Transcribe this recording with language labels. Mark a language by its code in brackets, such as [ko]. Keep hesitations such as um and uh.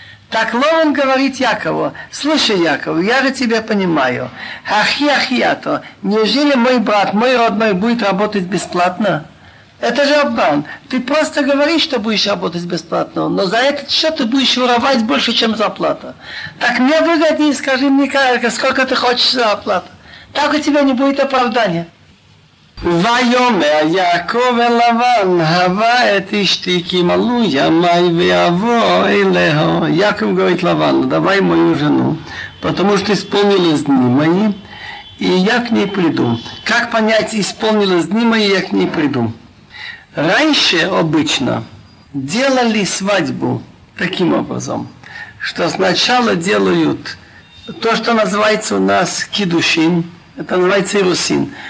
[ru] Так Лован говорит Якову, слушай, Яков, я же тебя понимаю, [he] ахи ахиято, [ru] неужели мой брат, мой родной будет работать бесплатно? Это же обман. Ты просто говоришь, что будешь работать бесплатно, но за этот счет ты будешь воровать больше, чем зарплата. Так мне выгоднее, скажи мне, ка- сколько ты хочешь за оплату. Так у тебя не будет оправдания. [he] ויאמר יעקב אל לבן, הווה את אשתי כי מלאו ימי ויבוא אליה. [ru] יעקב говорит Лавану, давай мою жену, потому что исполнились дни мои, и я к ней приду. Как понять, исполнилось дни мои, я к ней приду? Раньше обычно делали свадьбу таким образом, что сначала делают то, что называется у нас кидушин, это называется ирусин.